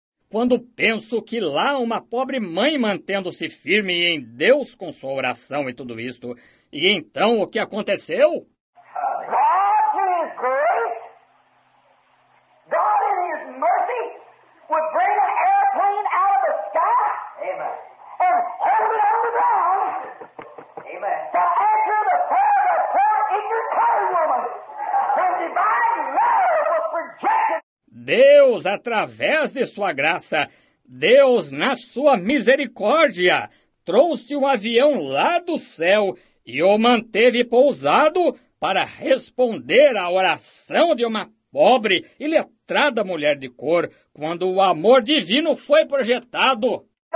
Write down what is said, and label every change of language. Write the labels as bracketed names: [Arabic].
[Portuguese] Quando penso que lá uma pobre mãe mantendo-se firme em Deus com sua oração e tudo isto, e então o que aconteceu? [English] God in His grace, God in His mercy, would bring an airplane out of the sky, amen, and hold it on the ground, amen, to answer the prayer of the poor ignorant colored woman, when divine love was projected. [Portuguese] Deus, através de sua graça, Deus, na sua misericórdia, trouxe um avião lá do céu e o manteve pousado para responder à oração de uma pobre e letrada mulher de cor quando o amor divino foi projetado.